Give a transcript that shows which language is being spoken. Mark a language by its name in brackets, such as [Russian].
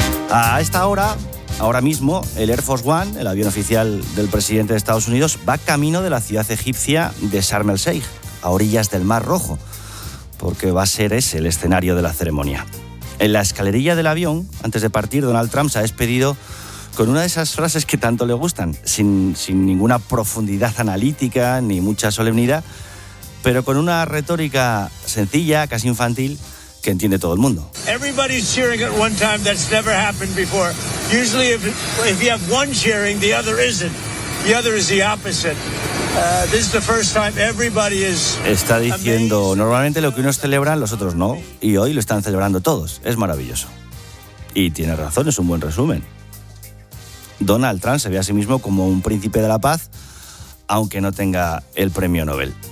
[Spanish] A esta hora, ahora mismo, el Air Force One, el avión oficial del presidente de Estados Unidos, va camino de la ciudad egipcia de Sharm el-Sheikh, a orillas del Mar Rojo, porque va a ser ese el escenario de la ceremonia. En la escalerilla del avión, antes de partir, Donald Trump se ha despedido con una de esas frases que tanto le gustan, sin ninguna profundidad analítica ni mucha solemnidad, pero con una retórica sencilla, casi infantil, que entiende todo el mundo. [English] Everybody's cheering at one time, that's never happened before. Usually if you have one cheering, the other isn't. The other is the opposite. This is the first time everybody is... [Spanish] Está diciendo, normalmente lo que unos celebran, los otros no, y hoy lo están celebrando todos. Es maravilloso. Y tiene razón, es un buen resumen. Donald Trump se ve a sí mismo como un príncipe de la paz, aunque no tenga el premio Nobel.